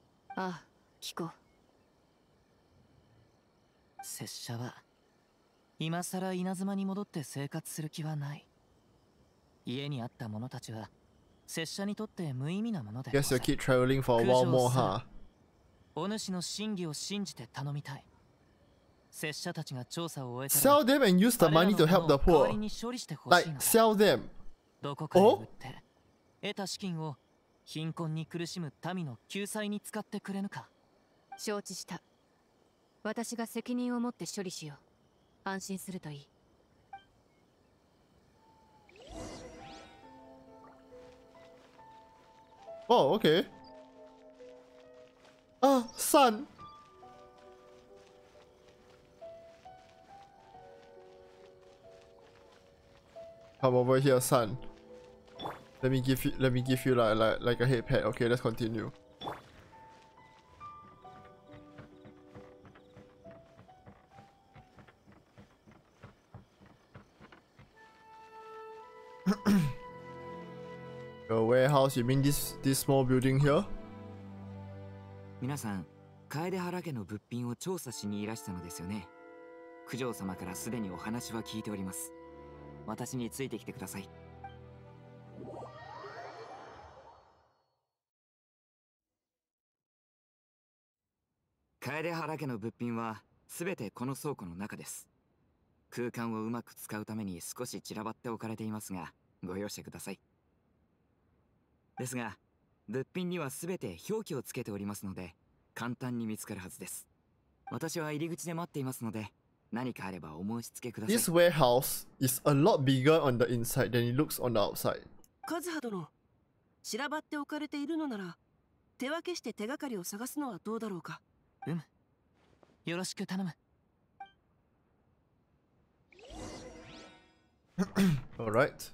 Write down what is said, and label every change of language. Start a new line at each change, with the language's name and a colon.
Japanese: ああ聞こう。拙者は今さら稲妻に戻って生活する気はない。家にあった者たちは拙者にとって無意味なもので。
English: Yes, you keep traveling for a while more, huh?
Japanese: お主の真偽を信じて頼みたい。拙者たちが調査を終えたら、
English: sell them and use the money to help the poor. Sell them.
Japanese: どこかに売って、得た資金を貧困に苦しむ民の救済に使ってくれぬか。承知した。私が責任を持って処理しよう。安心するといい。
English: Oh, okay. Ah, son! Come over here, son. Let me give you like a head pat. Okay, let's continue. A warehouse? You mean this small building here?
Japanese: 皆さん、楓原家の物品を調査しにいらしたのですよね。九条様からすでにお話は聞いております。私についてきてください。楓原家の物品はすべてこの倉庫の中です。空間をうまく使うために少し散らばって置かれていますが、ご容赦ください。ですが、物品にはすべて表記をつけておりますので、簡単に見つかるはずです。私は入り口で待っていますので、何かあればお申し付けください。
English: This warehouse is a lot bigger on the inside than it looks on the outside.
Japanese: カズハ殿、散らばって置かれているのなら、手分けして手がかりを探すのはどうだろうか。うむ、よろしく頼む。
English: All right.